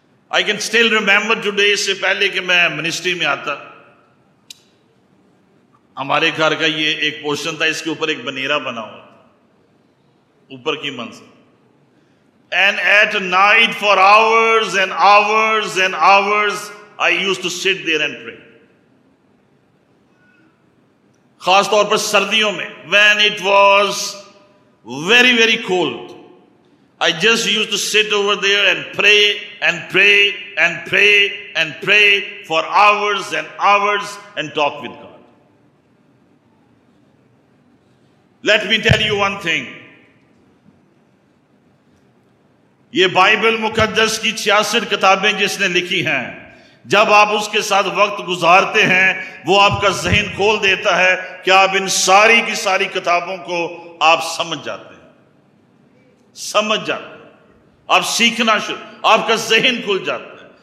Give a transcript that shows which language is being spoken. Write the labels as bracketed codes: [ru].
[en] I can still remember today, [ur] اس سے پہلے کہ میں منسٹری میں آتا، ہمارے گھر کا یہ ایک پورشن تھا، اس کے اوپر ایک بنیرا بنا ہوا تھا اوپر کی منزل. [en] And at night for hours and hours and hours I used to sit there and pray. [ur] خاص طور پر سردیوں میں. [en] When it was very very cold, I just used to sit over there and pray and pray and pray and pray for hours and hours and talk with God. Let me tell you one thing. [ur] یہ Bible مقدس کی 66 کتابیں جس نے لکھی ہیں، جب آپ اس کے ساتھ وقت گزارتے ہیں وہ آپ کا ذہن کھول دیتا ہے کہ آپ ان ساری کی ساری کتابوں کو آپ سمجھ جاتے ہیں، سمجھ جاتے ہیں، آپ سیکھنا شروع، آپ کا ذہن کھل جاتا ہے.